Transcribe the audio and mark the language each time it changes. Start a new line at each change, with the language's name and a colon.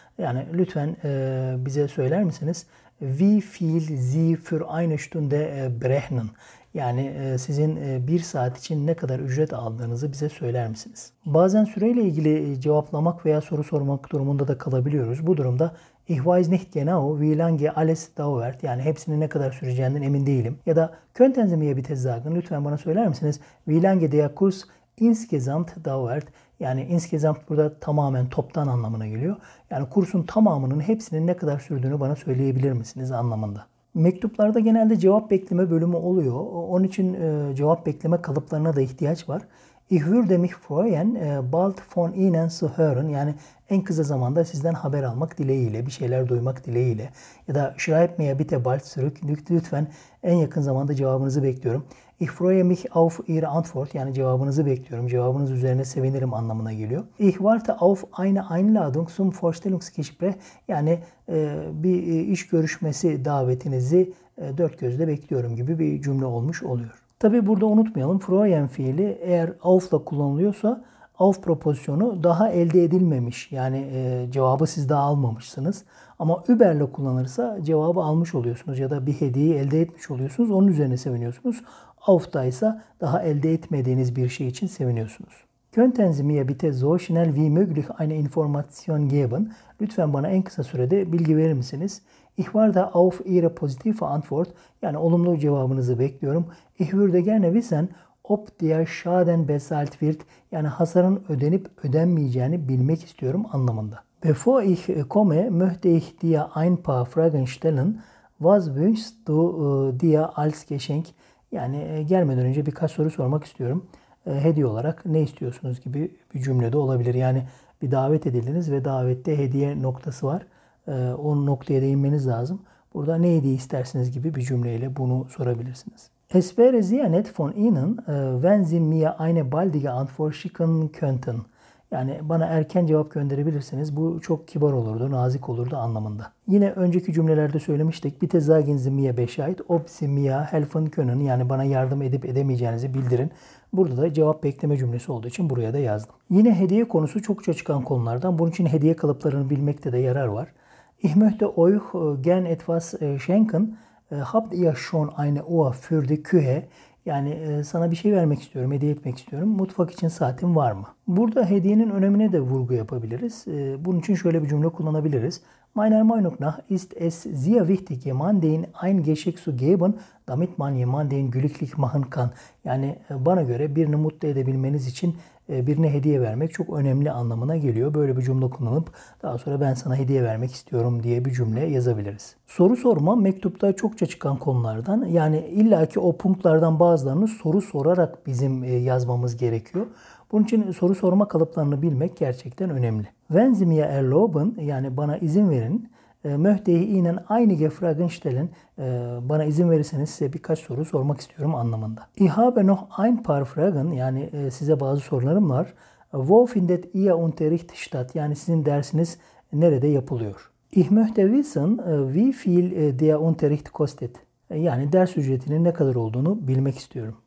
Turkish: Yani lütfen bize söyler misiniz?
German: Wie viel Sie für eine Stunde berechnen?
Turkish: Yani sizin bir saat için ne kadar ücret aldığınızı bize söyler misiniz? Bazen süreyle ilgili cevaplamak veya soru sormak durumunda da kalabiliyoruz. Bu durumda
German: Ich weiß nicht genau, wie lange alles dauert.
Turkish: Yani hepsinin ne kadar süreceğinden emin değilim. Ya da
German: Könnten Sie mir bitte sagen?
Turkish: Lütfen bana söyler misiniz?
German: Wie lange der Kurs insgesamt dauert?
Turkish: Yani insgesamt burada tamamen, toptan anlamına geliyor. Yani kursun tamamının, hepsinin ne kadar sürdüğünü bana söyleyebilir misiniz anlamında. Mektuplarda genelde cevap bekleme bölümü oluyor. Onun için cevap bekleme kalıplarına da ihtiyaç var.
German: Ich würde mich freuen, bald von Ihnen zu hören.
Turkish: Yani en kısa zamanda sizden haber almak dileğiyle, bir şeyler duymak dileğiyle. Ya da
German: schreib mir bitte bald zurück.
Turkish: Lütfen en yakın zamanda cevabınızı bekliyorum.
German: Ich freue mich auf Ihre Antwort.
Turkish: Yani cevabınızı bekliyorum. Cevabınız üzerine sevinirim anlamına geliyor.
German: Ich warte auf eine Einladung zum Vorstellungsgespräch.
Turkish: Yani bir iş görüşmesi davetinizi dört gözle bekliyorum gibi bir cümle olmuş oluyor. Tabii burada unutmayalım, freuen fiili eğer auf'la kullanılıyorsa auf propozisyonu daha elde edilmemiş. Yani cevabı siz daha almamışsınız. Ama über'le kullanırsa cevabı almış oluyorsunuz ya da bir hediye elde etmiş oluyorsunuz. Onun üzerine seviniyorsunuz. Auf'taysa daha elde etmediğiniz bir şey için seviniyorsunuz.
German: Könnten Sie mir bitte so schnell wie möglich eine Information geben?
Turkish: Lütfen bana en kısa sürede bilgi verir misiniz?
German: Ich warte auf Ihre positive Antwort.
Turkish: Yani olumlu cevabınızı bekliyorum.
German: Ich würde gerne wissen, ob der Schaden bezahlt wird.
Turkish: Yani hasarın ödenip ödenmeyeceğini bilmek istiyorum anlamında.
German: Bevor ich komme, möchte ich dir ein paar Fragen stellen. Was wünschst du dir als Geschenk?
Turkish: Yani gelmeden önce birkaç soru sormak istiyorum. Hediye olarak ne istiyorsunuz gibi bir cümle de olabilir. Yani bir davet edildiniz ve davette hediye noktası var. O noktaya değinmeniz lazım. Burada ne hediye istersiniz gibi bir cümleyle bunu sorabilirsiniz. Es wäre sehr nett von Ihnen, wenn Sie mir eine baldige Antwort schicken könnten. Yani bana erken cevap gönderebilirsiniz. Bu çok kibar olurdu, nazik olurdu anlamında. Yine önceki cümlelerde söylemiştik. Bitte sagen Sie mir Bescheid, ob Sie mir helfen können. Yani bana yardım edip edemeyeceğinizi bildirin. Burada da cevap bekleme cümlesi olduğu için buraya da yazdım. Yine hediye konusu çokça çıkan konulardan. Bunun için hediye kalıplarını bilmekte de yarar var.
German: Ich möchte euch gern etwas schenken. Habt ihr schon eine Uhr für die Küche?
Turkish: Yani sana bir şey vermek istiyorum, hediye etmek istiyorum. Mutfak için saatin var mı? Burada hediyenin önemine de vurgu yapabiliriz. Bunun için şöyle bir cümle kullanabiliriz.
German: Meiner Meinung nach ist es sehr wichtig, jemanden ein Geschenk zu geben, damit man jemanden glücklich machen kann.
Turkish: Yani bana göre birini mutlu edebilmeniz için birine hediye vermek çok önemli anlamına geliyor. Böyle bir cümle kullanıp daha sonra ben sana hediye vermek istiyorum diye bir cümle yazabiliriz. Soru sorma mektupta çokça çıkan konulardan. Yani illaki o punktlardan bazılarını soru sorarak bizim yazmamız gerekiyor. Bunun için soru sorma kalıplarını bilmek gerçekten önemli.
German: Wenn Sie mir erlauben,
Turkish: yani bana izin verin.
German: Möchte ich Ihnen einige Fragen stellen.
Turkish: Bana izin verirseniz size birkaç soru sormak istiyorum anlamında.
German: Ich habe noch ein paar Fragen.
Turkish: Yani size bazı sorularım var.
German: Wo findet Ihr Unterricht statt?
Turkish: Yani sizin dersiniz nerede yapılıyor?
German: Ich möchte wissen, wie viel der Unterricht kostet.
Turkish: Yani ders ücretinin ne kadar olduğunu bilmek istiyorum.